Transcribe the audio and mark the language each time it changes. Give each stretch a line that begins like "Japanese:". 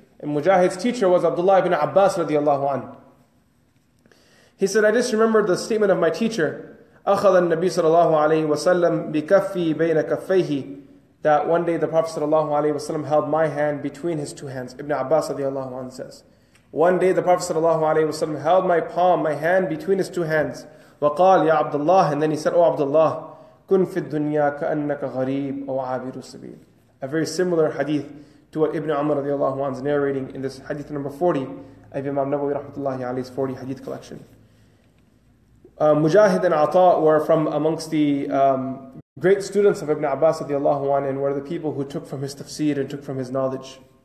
English: And Mujahid's teacher was Abdullah ibn Abbas radiallahu anhu. He said, I just remembered the statement of my teacher,
Arabic: أَخَذَ النَّبِي صَلَى اللَّهُ عَلَيْهِ وَسَلَّمْ بِكَفِّي بَيْنَ كَفَّيْهِ,
English: that one day the Prophet sallallahu alayhi wasallam held my hand between his two hands. Ibn Abbas radiallahu anhu says, one day the Prophet sallallahu alayhi wasallam held my palm, my hand between his two hands.
Arabic: وقال يا عبد الله,
English: and then he said, O
Arabic: عبد الله, كن في الدنيا كأنك غريب أو عابر السبيل.
English: A very similar hadith to what Ibn Umar radiallahu anhu is narrating in this hadith number 40 of Imam Nawawi rahmatullahi alayhi's 40 hadith collection. Mujahid and Ata were from amongst the great students of Ibn Abbas radiallahu anhu, and were the people who took from his tafsir and took from his knowledge.